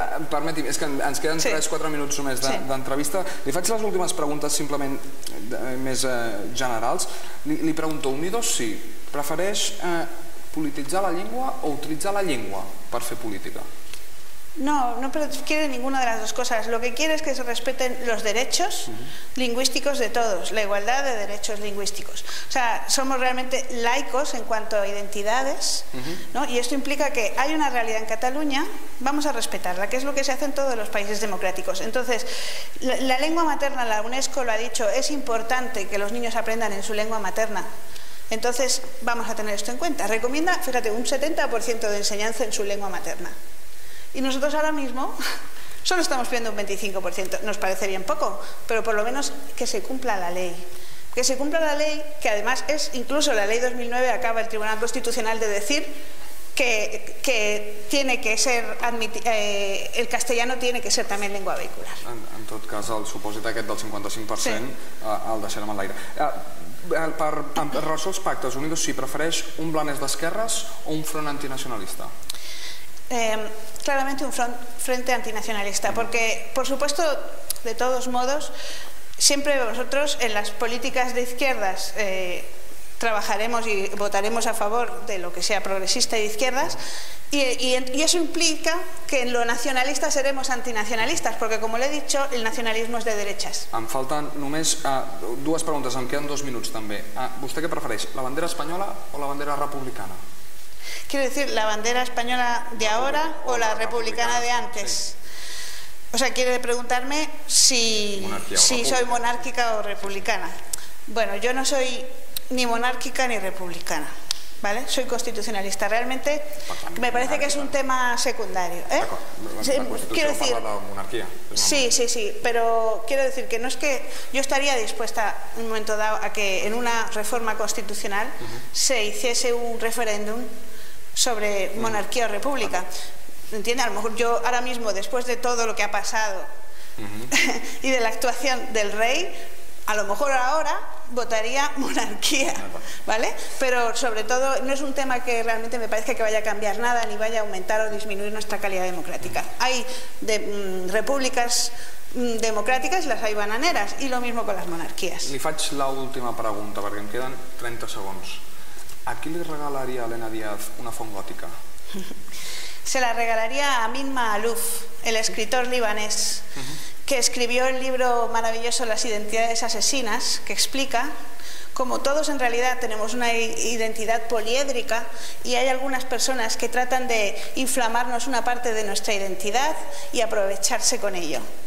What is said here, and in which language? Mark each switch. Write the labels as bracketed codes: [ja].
[ca] Permeti'm, és que ens queden 3-4 minuts només d'entrevista. Li faig les últimes preguntes simplement més generals. Li pregunto, Unidos sí, prefereix polititzar la llengua o utilitzar la llengua per fer política? [es] No, no quiere ninguna de las dos cosas. Lo que quiere es que se respeten los derechos lingüísticos de todos, la igualdad de derechos lingüísticos. O sea, somos realmente laicos en cuanto a identidades, ¿no? Y esto implica que hay una realidad en Cataluña, vamos a respetarla, que es lo que se hace en todos los países democráticos. Entonces, la lengua materna, la UNESCO lo ha dicho, es importante que los niños aprendan en su lengua materna. Entonces, vamos a tener esto en cuenta. Recomienda, fíjate, un 70% de enseñanza en su lengua materna. Y nosotros ahora mismo solo estamos pidiendo un 25%. Nos parece bien poco, pero por lo menos que se cumpla la ley. Que se cumpla la ley, que además es incluso la ley 2009, acaba el Tribunal Constitucional de decir que tiene que ser el castellano tiene que ser también lengua vehicular. [ca] En tot cas, el supòsit aquest del 55% el deixarem en l'aire. En relació als pactes, Unidos sí, prefereix un Blanes d'esquerres o un front antinacionalista? [es] Claramente un frente antinacionalista, porque por supuesto, de todos modos, siempre nosotros en las políticas de izquierdas trabajaremos y votaremos a favor de lo que sea progresista y de izquierdas, y eso implica que en lo nacionalista seremos antinacionalistas, porque como le he dicho, el nacionalismo es de derechas. [ca] Em falten només dues preguntes, em queden dos minuts també. ¿Vostè què prefereix, la bandera espanyola o la bandera republicana? [es] Quiero decir, ¿la bandera española de ahora o la republicana de antes? Sí. O sea, quiere preguntarme si soy monárquica o republicana. Bueno, yo no soy ni monárquica ni republicana, ¿vale? Soy constitucionalista. Realmente me parece que es un tema secundario. ¿Eh? Quiero decir, monarquía. Sí. Pero quiero decir que no es que yo estaría dispuesta en un momento dado a que en una reforma constitucional se hiciese un referéndum sobre monarquía o república. ¿Entiende? A lo mejor yo ahora mismo, después de todo lo que ha pasado y de la actuación del rey, a lo mejor ahora votaría monarquía, ¿vale? Pero sobre todo no es un tema que realmente me parezca que vaya a cambiar nada ni vaya a aumentar o disminuir nuestra calidad democrática. Hay repúblicas [ca] democràtiques, les hi bananeres, i [es] lo mismo con las monarquías. [ca] Li faig l'última pregunta, perquè em queden 30 segons. ¿A qui li regalaria Elena Díaz una font gòtica? [es] Se la regalaría a Amin Maalouf, el escritor libanés, que escribió el libro maravilloso Las identidades asesinas, que explica cómo todos en realidad tenemos una identidad poliédrica y hay algunas personas que tratan de inflamarnos una parte de nuestra identidad y aprovecharse con ello.